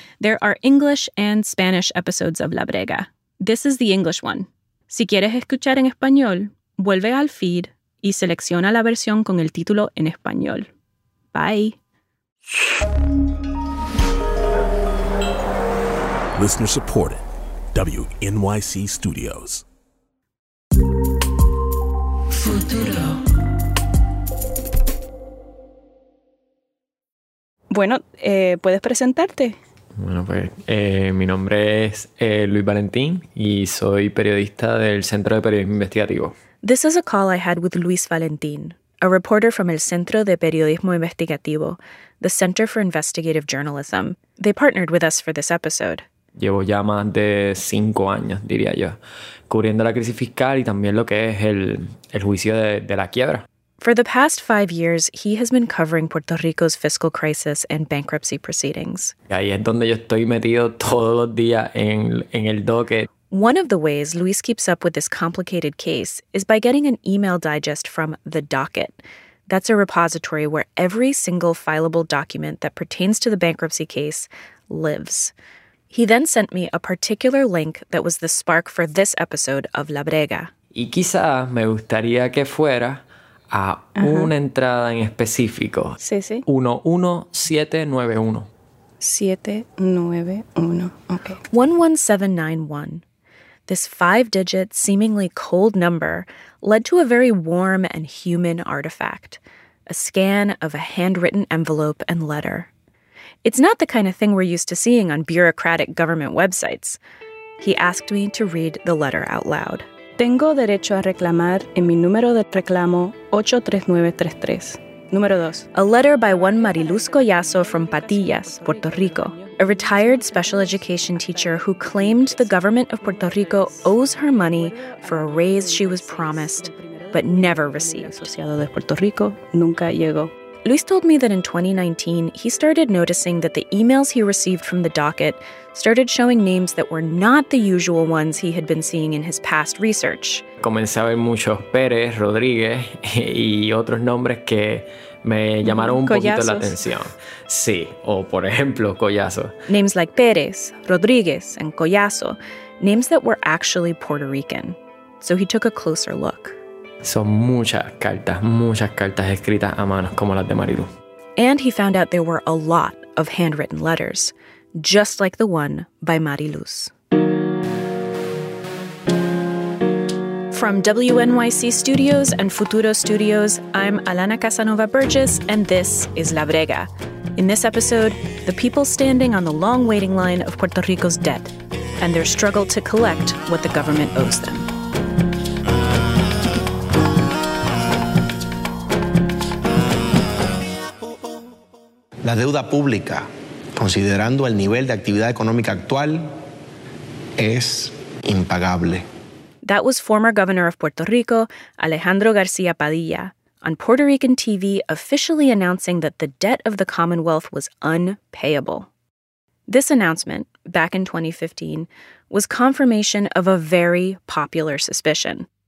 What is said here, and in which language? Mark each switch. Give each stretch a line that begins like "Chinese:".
English: There are English and Spanish episodes of La Brega. This is the English one.
Spanish: Si quieres escuchar en español, vuelve al feed y selecciona la versión con el título en español.
English: Bye. Listener supported. WNYC Studios.
Spanish: Futuro. Bueno, ¿puedes presentarte? Bueno, pues mi nombre es Luis Valentín y soy periodista del Centro de Periodismo Investigativo.
English: This is a call I had with Luis Valentín, a reporter from el Centro de Periodismo Investigativo, the Center for Investigative Journalism. They partnered with us for this episode.
Spanish: Llevo ya más de 5 años, diría yo, cubriendo la crisis fiscal y también lo que es el juicio de la quiebra.
English: For the past 5 years, he has been covering Puerto Rico's fiscal crisis and bankruptcy proceedings.
Spanish: Ahí es donde yo estoy metido todos los días en el docket.
English: One of the ways Luis keeps up with this complicated case is by getting an email digest from The Docket. That's a repository where every single fileable document that pertains to the bankruptcy case lives. He then sent me a particular link that was the spark for this episode of La Brega.
Spanish: Y quizá me gustaría que fuera a una entrada en específico. Sí, sí. 11791. 791. Okay. 11791.
English: This 5-digit, seemingly cold number led to a very warm and human artifact, a scan of a handwritten envelope and letter. It's not the kind of thing we're used to seeing on bureaucratic government websites. He asked me to read the letter out loud.
Spanish: Tengo derecho a reclamar en mi número de reclamo 83933. Número dos.
English: A letter by one Mariluz Collazo from Patillas, Puerto Rico, a retired special education teacher who claimed the government of Puerto Rico owes her money for a raise she was promised, but never received.
Spanish: Asociado de Puerto Rico, nunca llegó.
English: Luis told me that in 2019, he started noticing that the emails he received from The Docket started showing names that were not the usual ones he had been seeing in his past research.
Spanish: Comencé a ver muchos Pérez, Rodríguez y otros nombres que me llamaron un Collazos. Poquito la atención. Sí, o por ejemplo, Collazo.
English: Names like Pérez, Rodríguez, and Collazo, names that were actually Puerto Rican. So he took a closer look.
Spanish: Son muchas cartas escritas a mano, como las de Marilu.
English: And he found out there were a lot of handwritten letters, just like the one by Mariluz. From WNYC Studios and Futuro Studios, I'm Alana Casanova Burgess, and this is La Brega. In this episode, the people standing on the long waiting line of Puerto Rico's debt and their struggle to collect what the government owes them.
Spanish: La deuda pública, considerando el nivel de actividad económica actual, es impagable.
English: That was former governor of Puerto Rico, Alejandro García Padilla, on Puerto Rican TV officially announcing that the debt of the Commonwealth was unpayable. This announcement, back in 2015, was confirmation of a very popular suspicion.